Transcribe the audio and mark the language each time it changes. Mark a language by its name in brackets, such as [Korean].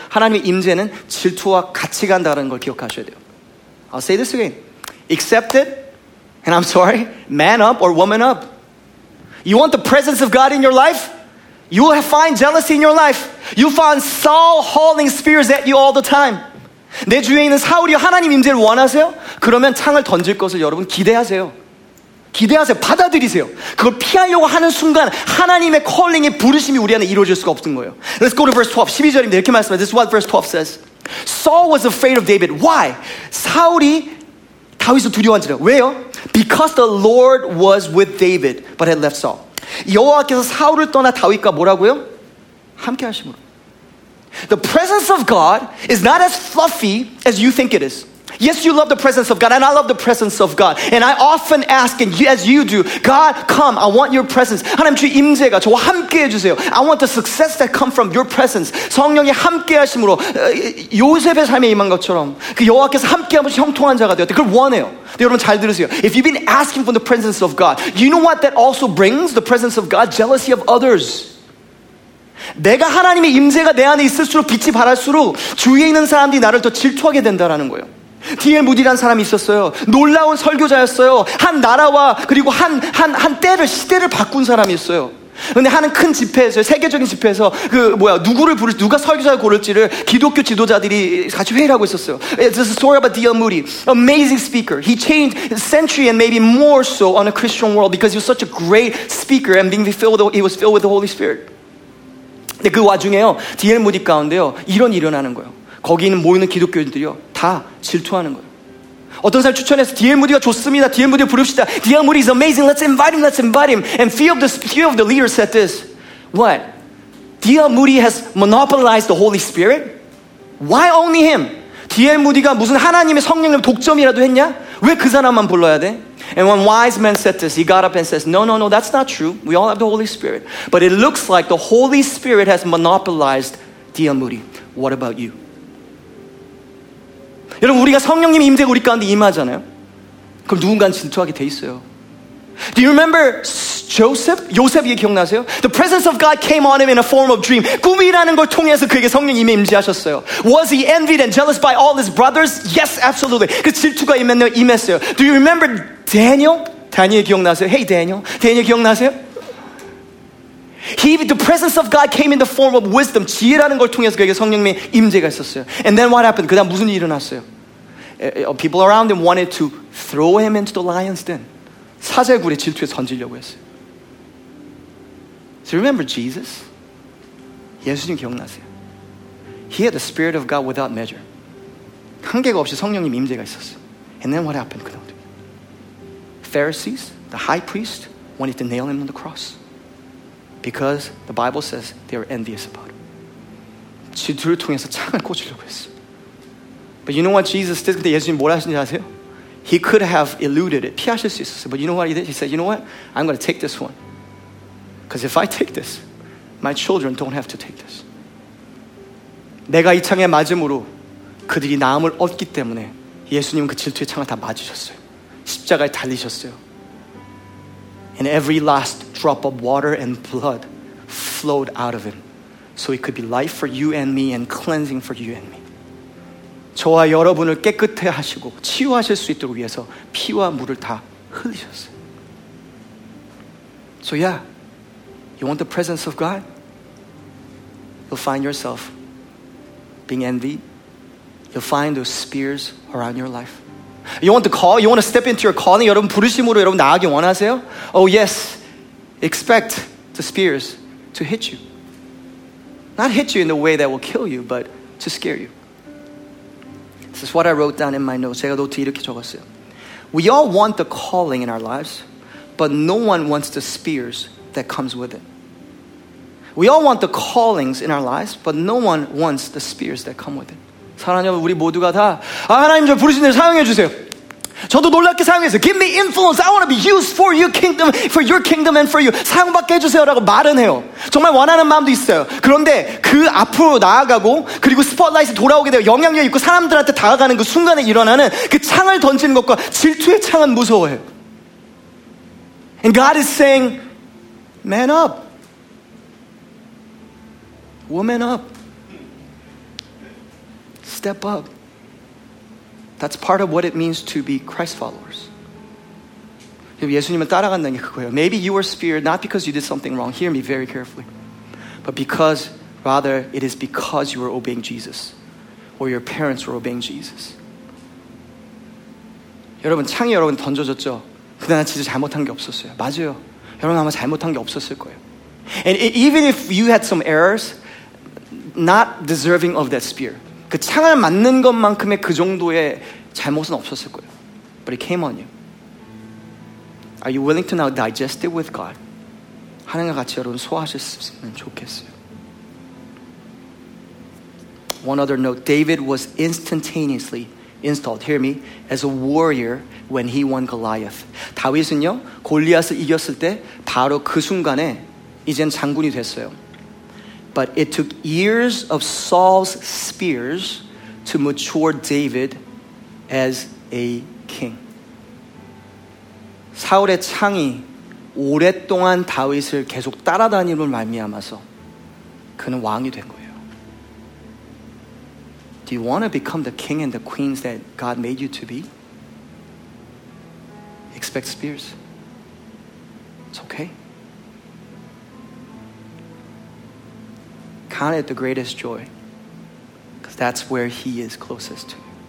[Korean] 하나님의 임재는 질투와 같이 간다는 걸 기억하셔야 돼요. [English] I'll say this again. Accept it, and I'm sorry, man up or woman up. You want the presence of God in your life? You will find jealousy in your life. You find Saul hauling spears at you all the time. [Korean] 내 주위에 있는 사울이요, 하나님 임재를 원하세요? 그러면 창을 던질 것을 여러분 기대하세요. 기대하세요. 받아들이세요. 그걸 피하려고 하는 순간 하나님의 calling의 부르심이 우리 안에 이루어질 수가 없는 거예요. [English] Let's go to verse 12. [Korean] 12절입니다. 이렇게 말씀해요. [English] This is what verse 12 says. Saul was afraid of David. Why? [Korean] 사울이 다윗을 두려워한지라. 왜요? [English] Because the Lord was with David but had left Saul. [Korean] 여호와께서 사울을 떠나 다윗과 뭐라고요? 함께 하심으로. [English] The presence of God is not as fluffy as you think it is. Yes, you love the presence of God, and I love the presence of God. And I often ask, and as you do, God, come, I want your presence. [Korean] 하나님 주 임재가 저와 함께 해주세요. [English] I want the success that comes from your presence. [Korean] 성령이 함께 하심으로 요셉의 삶에 임한 것처럼 그 여호와께서 함께 하면서 형통한 자가 되었대. 그걸 원해요. 여러분 잘 들으세요. [English] If you've been asking for the presence of God, you know what that also brings? The presence of God, jealousy of others. [Korean] 내가 하나님의 임재가 내 안에 있을수록 빛이 발할수록 주위에 있는 사람들이 나를 더 질투하게 된다라는 거예요. 디엘 무디라는 사람이 있었어요. 놀라운 설교자였어요. 한 나라와 그리고 한 때를 시대를 바꾼 사람이었어요. 근데 하는 큰 집회에서 세계적인 집회에서 그 뭐야 누구를 부를 누가 설교자를 고를지를 기독교 지도자들이 같이 회의를 하고 있었어요. [English] This is a story about D.L. Moody, amazing speaker. He changed a century and maybe more so on a Christian world because he was such a great speaker and being filled with, he was filled with the Holy Spirit. [Korean] 근데 그 와중에요 디엘 무디 가운데요 이런 일이 일어나는 거예요. 거기 있는 모이는 기독교인들이요 다 질투하는 거예요. 어떤 사람 추천해서 디엘 무디가 좋습니다. 디엘 무디 부릅시다. [English] 디엘 무디 is amazing. Let's invite him. Let's invite him. And few of the leaders said this. What? DL Moody has monopolized the Holy Spirit? Why only him? [Korean] 디엘 무디가 무슨 하나님의 성령을 독점이라도 했냐? 왜 그 사람만 불러야 돼? [English] And one wise man said this. He got up and says, No, no, no. That's not true. We all have the Holy Spirit. But it looks like the Holy Spirit has monopolized DL Moody. What about you? [Korean] 여러분 우리가 성령님 임재가 우리 가운데 임하잖아요. 그럼 누군가는 질투하게 돼 있어요. [English] Do you remember Joseph? [Korean] 요셉이 기억나세요? [English] The presence of God came on him in a form of dream. [Korean] 꿈이라는 걸 통해서 그에게 성령님이 임재하셨어요. [English] Was he envied and jealous by all his brothers? Yes, absolutely. [Korean] 그 질투가 임했어요. [English] Do you remember Daniel? [Korean] 다니엘 기억나세요? [English] Hey, Daniel. [Korean] 다니엘 기억나세요? [English] The presence of God came in the form of wisdom. [Korean] 지혜라는 걸 통해서 그에게 성령님의 임재가 있었어요. [English] And then what happened? [Korean] 그 다음 무슨 일이 일어났어요? [English] People around him wanted to throw him into the lion's den. [Korean] 사자굴에 질투에 던지려고 했어요. [English] So remember Jesus? [Korean] 예수님 기억나세요? [English] He had the spirit of God without measure. [Korean] 한계가 없이 성령님 임재가 있었어요. [English] And then what happened? [Korean] 그 다음 [English] Pharisees, the high priest, wanted to nail him on the cross. Because the Bible says they are envious about him. [Korean] 질투를 통해서 창을 꽂으려고 했어. [English] But you know what Jesus did? [Korean] 근데 예수님 뭘 하신지 아세요? [English] He could have eluded it. [Korean] 피하실 수 있었어. [English] But you know what he did? He said, you know what? I'm going to take this one. Because if I take this, my children don't have to take this. [Korean] 내가 이 창에 맞음으로 그들이 나음을 얻기 때문에 예수님은 그 질투의 창을 다 맞으셨어요. 십자가에 달리셨어요. [English] And every last drop of water and blood flowed out of him. So it could be life for you and me and cleansing for you and me. [Korean] 저와 여러분을 깨끗해 하시고 치유하실 수 있도록 위해서 피와 물을 다 흘리셨어요. [English] So yeah, you want the presence of God? You'll find yourself being envied. You'll find those spears around your life. You want to call? You want to step into your calling? [Korean] 여러분 부르심으로 여러분 나아가기 원하세요? [English] Oh yes, expect the spears to hit you. Not hit you in the way that will kill you, but to scare you. This is what I wrote down in my notes. [Korean] 제가 노트 이렇게 적었어요. [English] We all want the calling in our lives, but no one wants the spears that comes with it. We all want the callings in our lives, but no one wants the spears that come with it. [Korean] 사랑하는 우리 모두가 다 아, 하나님 저 부르신 대로 사용해 주세요. 저도 놀랍게 사용해 주세요. [English] Give me influence. I want to be used for your kingdom, for your kingdom and for you. [Korean] 사용받게 해 주세요라고 말은 해요. 정말 원하는 마음도 있어요. 그런데 그 앞으로 나아가고 그리고 스팟라이트 돌아오게 되고 영향력 있고 사람들한테 다가가는 그 순간에 일어나는 그 창을 던지는 것과 질투의 창은 무서워해요. [English] And God is saying, man up. Woman up. Step up. That's part of what it means to be Christ followers. [Korean] 예수님을 따라간다는 게 그거예요. [English] Maybe you were speared not because you did something wrong. Hear me very carefully. But because, rather, it is because you were obeying Jesus. Or your parents were obeying Jesus. [Korean] 여러분, 창이 여러분 던져졌죠? 그나마 진짜 잘못한 게 없었어요. 맞아요. 여러분 아마 잘못한 게 없었을 거예요. [English] And even if you had some errors, not deserving of that spear. [Korean] 그 창을 맞는 것만큼의 그 정도의 잘못은 없었을 거예요. [English] But it came on you. Are you willing to now digest it with God? [Korean] 하나님과 같이 여러분 소화하셨으면 좋겠어요. [English] One other note, David was instantaneously installed, hear me, as a warrior when he won Goliath. [Korean] 다윗은요, 골리앗을 이겼을 때 바로 그 순간에 이젠 장군이 됐어요. [English] But it took years of Saul's spears to mature David as a king. [Korean] 사울의 창이 오랫동안 다윗을 계속 따라다니는 말미암아서 그는 왕이 된 거예요. [English] Do you want to become the king and the queens that God made you to be? Expect spears. It's okay. Count it the greatest joy, because that's where he is closest to you.